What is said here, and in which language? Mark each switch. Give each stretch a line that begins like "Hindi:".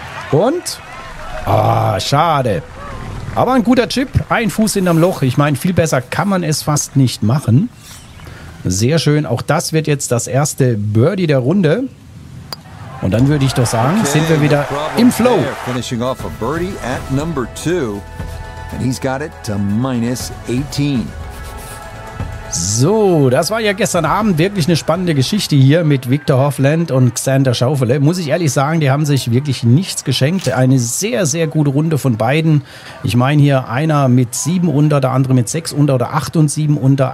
German: Und? Ah, schade. Aber ein guter Chip. Ein Fuß hinterm Loch. Ich meine, viel besser kann man es fast nicht machen. Sehr schön. Auch das wird jetzt das erste Birdie der Runde. Und dann würde ich doch sagen, okay, sind wir wieder im Flow.
English: Finishing off a birdie at number two. And he's got it to minus 18.
German: So, das war ja gestern Abend wirklich eine spannende Geschichte hier mit Victor Hovland und Xander Schaufele. Muss ich ehrlich sagen, die haben sich wirklich nichts geschenkt. Eine sehr, sehr gute Runde von beiden. Ich meine hier einer mit 7 unter, der andere mit 6 unter oder 8 und 7 unter.